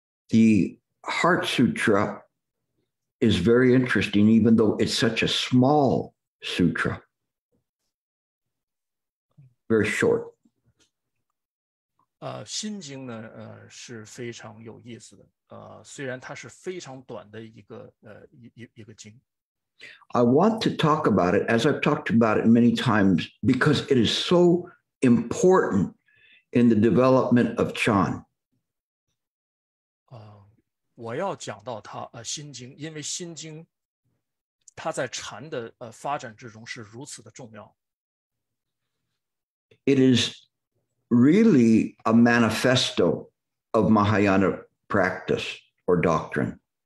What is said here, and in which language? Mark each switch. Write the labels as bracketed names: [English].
[English] The Heart Sutra is very interesting, even though it's such a small sutra. Very short. [Chinese] 心经呢，是非常有意思的。虽然它是非常短的一个经。 [English] I want to talk about it, as I've talked about it many times, because it is so important in the development of Chan. [Chinese] 我要讲到它心经，因为心经它在禅的发展之中是如此的重要。 [English] It is really a manifesto of Mahayana practice or doctrine.